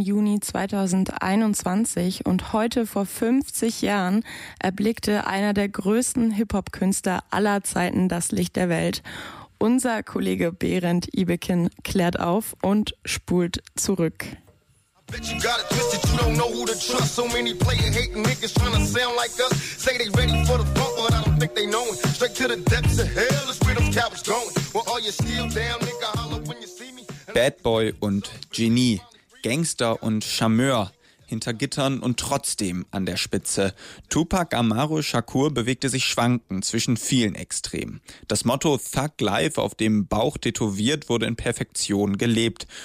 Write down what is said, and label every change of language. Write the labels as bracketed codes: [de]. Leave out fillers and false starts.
[de] Juni 2021 und heute vor 50 Jahren erblickte einer der größten Hip-Hop-Künstler aller Zeiten das Licht der Welt. Unser Kollege Berend Ibekin klärt auf und spult zurück. [en] Bitch, you got it twisted, you don't know who to trust. So many player hating niggas trying to sound like us. Say they ready for the bump, but I don't think they know it. Straight to the depths of hell is where those cowards going. Well, all you steal down, nigga, holler when you see me. [de] Bad Boy und Genie, Gangster und Charmeur. Hinter Gittern und trotzdem an der Spitze. Tupac Amaru Shakur bewegte sich schwankend zwischen vielen Extremen. Das Motto Thug Life auf dem Bauch tätowiert wurde in Perfektion gelebt.